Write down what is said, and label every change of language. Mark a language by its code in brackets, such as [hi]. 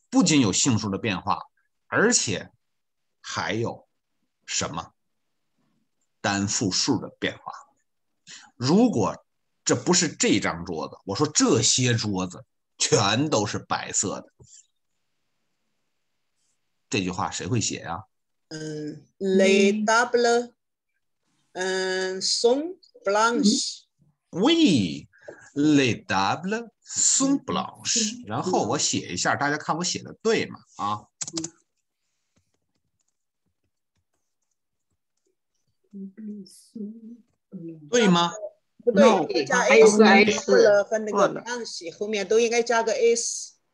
[zh] 不仅有性数的变化，而且还有什么单复数的变化。如果这不是这张桌子，我说这些桌子全都是白色的，这句话谁会写呀？ [fr] 嗯 ，les tables。 sont blanches. Oui, les tables sont blanches. [zh] 然后我写一下，大家看我写的对吗？啊，对吗？不对，加 s 和那个 blanche 后面都应该加个 s。